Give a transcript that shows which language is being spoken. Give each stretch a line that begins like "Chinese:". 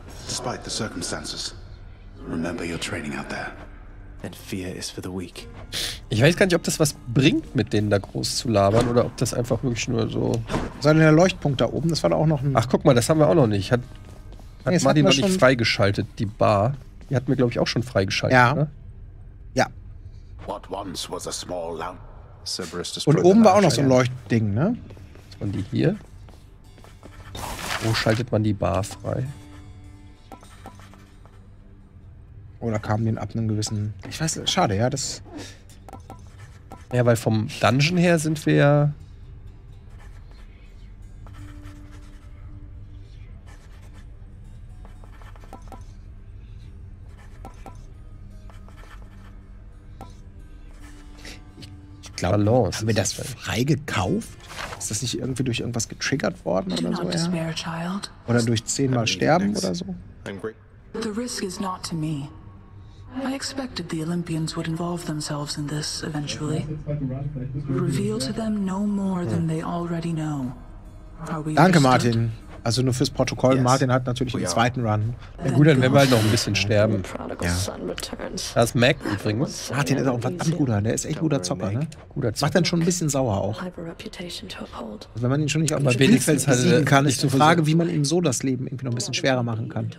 English: Despite the circumstances, remember your training out there. And fear is for the weak.
German: Ich weiß gar nicht, ob das was bringt, mit denen da groß zu labern, oder ob das einfach wirklich nur so... Was war denn der Leuchtpunkt da oben? Das war da auch noch ein... Ach, guck mal, das haben wir auch noch nicht. Hat Martin noch nicht freigeschaltet, die Bar. Die hatten wir, glaube ich, auch schon freigeschaltet, ja. Ne? Ja.
English: What once was a small lamp. Cerberus destroyed.
German: Und oben war auch noch so ein Leuchtding, ne? Und die hier? Wo schaltet man die Bar frei? Oder kamen den ab einem gewissen... Ich weiß, schade, ja, das... Ja, weil vom Dungeon her sind wir ja... Ich glaube, haben wir das frei gekauft? Ist das nicht irgendwie durch irgendwas getriggert worden oder so? Despair, oder durch 10-mal sterben oder so?
English: The risk is not to me. I expected the Olympians would involve themselves in this eventually. Reveal to them no more than they already know. Are we
German: Danke,
English: understood?
German: Martin. Also nur fürs Protokoll.
English: Yes.
German: Martin hat natürlich den zweiten Run. Ja, gut, dann werden wir halt noch ein bisschen sterben. Ja. Das ist Mac übrigens. Martin ist auch ein verdammt guter. Der ist echt guter Zocker, ne? Guter Zocker. Macht dann schon ein bisschen sauer auch. Also wenn man ihn schon nicht auf dem Spielfeld besiegen kann, ist die Frage, wie man ihm so das Leben irgendwie noch ein bisschen schwerer machen kann.